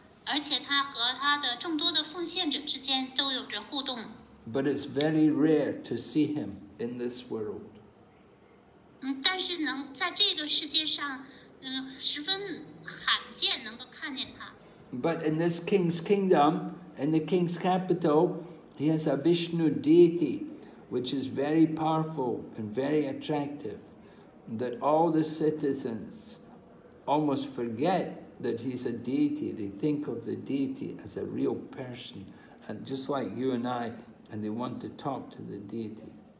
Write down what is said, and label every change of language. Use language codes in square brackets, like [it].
[en] But it's very rare to see him in this world. [zh] 但是能在这个世界上，十分罕见能够看见他。 [en] But in this king's kingdom, in the king's capital, he has a Vishnu deity, which is very powerful and very attractive, that all the citizens almost forget. That he's a deity, they think of the deity as a real person, and just like you and I, and they want to talk to the deity.